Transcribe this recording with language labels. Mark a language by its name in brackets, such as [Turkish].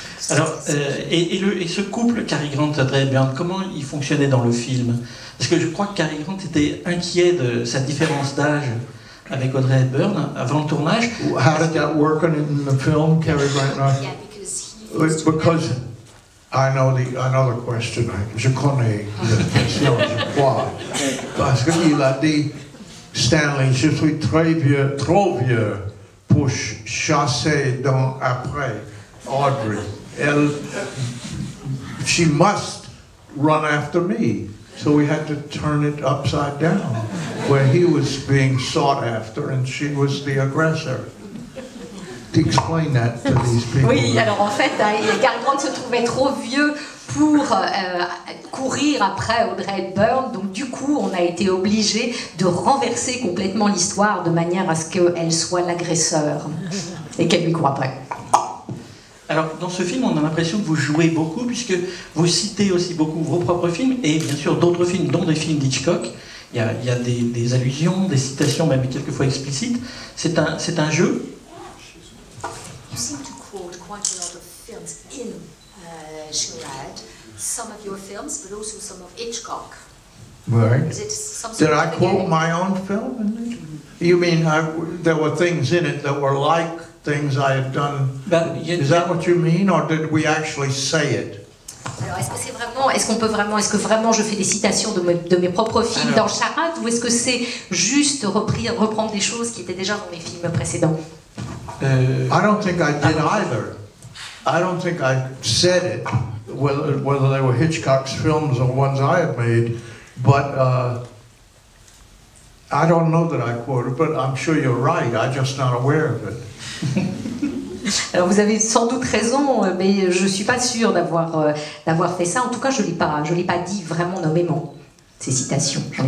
[French] Alors, et ce couple Cary Grant Audrey Hepburn, comment il fonctionnait dans le film? Parce que je crois que Cary Grant était inquiet de sa différence d'âge avec Audrey Hepburn avant le tournage. [English] How did that work in the film, Cary Grant? Because I know the question. [French] Je connais la question. Je crois. Parce qu'il a dit, Stanley, je suis très vieux, trop vieux. Pour chasser dans après Audrey, [English] she must run after me. So we had to turn it upside down, where he was being sought after and she was the aggressor. To explain that to these people. [French] Oui, alors en fait, Cary Grant se trouvait trop vieux pour courir après Audrey Hepburn, donc du coup, on a été obligé de renverser complètement l'histoire de manière à ce qu'elle soit l'agresseur et qu'elle lui court après. Alors, dans ce film, on a l'impression que vous jouez beaucoup, puisque vous citez aussi beaucoup vos propres films et bien sûr d'autres films, dont des films d'Hitchcock. Il y a des allusions, des citations, même quelquefois explicites. C'est un jeu. [English] You seem to quote quite a lot of films in Sherrod, some of your films, but also some of Hitchcock. Right. Did I quote my own film? You mean there were things in it that were like things I had done? Is that what you mean, or did we actually say it? [French] Alors, est-ce que vraiment je fais des citations de mes propres films dans Sherrod, ou est-ce que c'est juste reprendre des choses qui étaient déjà dans mes films précédents? [English] I don't think I did either. I don't think I said it, whether they were Hitchcock's films or ones I had made, but I don't know that I quoted, but I'm sure you're right, I'm just not aware of it. [French] Alors vous avez sans doute raison, mais je ne suis pas sûre d'avoir fait ça. En tout cas, je ne l'ai pas dit vraiment nommément, ces citations.